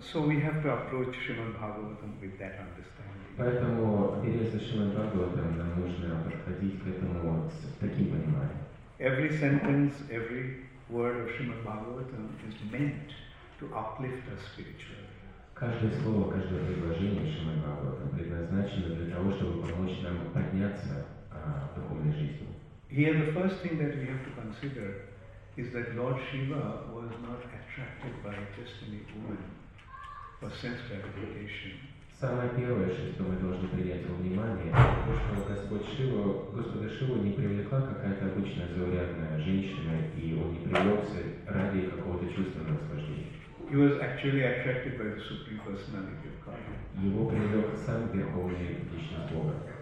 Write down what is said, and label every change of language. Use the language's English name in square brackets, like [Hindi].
[English] So we have to approach Shrimad Bhagavatam with that understanding. [Russian] Поэтому, интересно, Шримад Бхагаватам нам нужно подходить к этому вот с таким пониманием. [English] Every sentence, every word of Shrimad Bhagavatam is meant to uplift us spiritually. [Russian] Каждое слово, каждое предложение Шримад Бхагаватам предназначено для того, чтобы помочь нам подняться в духовной жизни. [English] Here the first thing that we have to consider is that Lord Shiva was not attracted by just any woman for sense gratification. [Russian] Самое первое, что мы должны принять во внимание, то, что Господа Шиву не привлекла какая-то обычная заурядная женщина, и он не привлекся ради какого-то чувственного наслаждения. [English] He was actually attracted by the Supreme Personality of God. [Russian] Его привлек сам Верховный Личность Бога.